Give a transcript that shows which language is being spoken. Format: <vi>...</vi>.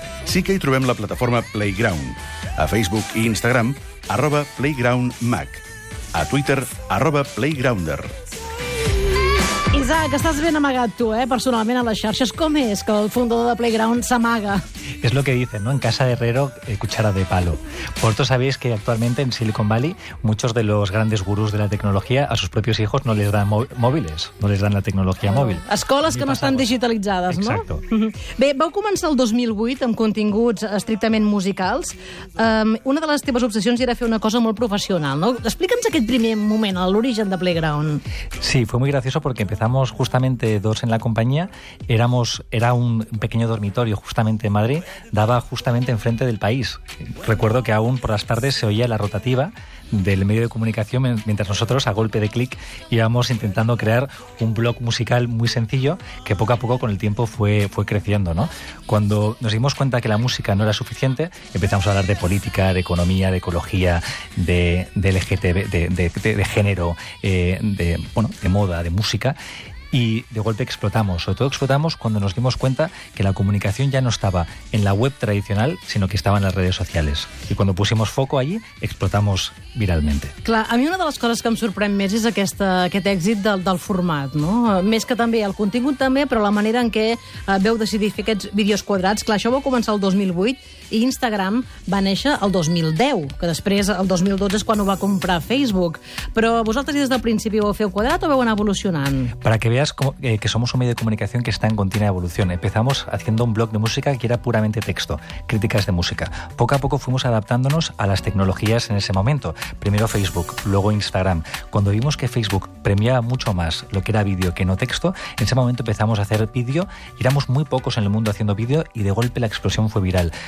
<ca>Sí que hi trobem la plataforma Playground. A Facebook i Instagram, @PlaygroundMac. A Twitter, @Playgrounder. Isaac, estàs ben amagat tu, personalment, a les xarxes. Com és que el fundador de Playground s'amaga?</ca> <es>Es lo que dicen, ¿no? En casa de herrero, cuchara de palo. Vosotros sabéis que actualmente en Silicon Valley muchos de los grandes gurús de la tecnología a sus propios hijos no les dan móviles, no les dan la tecnología móvil.</es> <ca>Escoles que no estan digitalitzades,</ca> <es>exacto, no? Exacto.</es> <ca>Bé, vau començar el 2008 amb continguts estrictament musicals. Una de les teves obsessions era fer una cosa molt professional, no? Explica'ns aquest primer moment, l'origen de Playground.</ca> <es>Sí, fue muy gracioso porque empezamos justamente dos en la compañía. Era un pequeño dormitorio justamente en Madrid, daba justamente enfrente del país. Recuerdo que aún por las tardes se oía la rotativa del medio de comunicación mientras nosotros, a golpe de clic, íbamos intentando crear un blog musical muy sencillo que poco a poco con el tiempo fue creciendo, ¿no? Cuando nos dimos cuenta que la música no era suficiente, empezamos a hablar de política, de economía, de ecología, de LGTB, de género, de moda, de música. Y de golpe explotamos, sobre todo explotamos cuando nos dimos cuenta que la comunicación ya no estaba en la web tradicional, sino que estaba en las redes sociales. Y cuando pusimos foco allí, explotamos viralmente.</es> <ca>Clar, a mi una de les coses que em sorprèn més és aquest èxit del format, no? Més que també el contingut també, però la manera en què veu decidir fer aquests vídeos quadrats. Clar, això va començar el 2008 i Instagram va néixer el 2010, que després el 2012 és quan ho va comprar Facebook. Però vosaltres des del principi ho feu quadrat o veu anar evolucionant?</ca> <es>Per a que veas que somos un medio de comunicación que está en continua evolución. Empezamos haciendo un blog de música que era puramente texto, críticas de música. Poco a poco fuimos adaptándonos a las tecnologías en ese momento. Primero Facebook, luego Instagram. Cuando vimos que Facebook premiaba mucho más lo que era vídeo que no texto, en ese momento empezamos a hacer vídeo y éramos muy pocos en el mundo haciendo vídeo y de golpe la explosión fue viral.</es>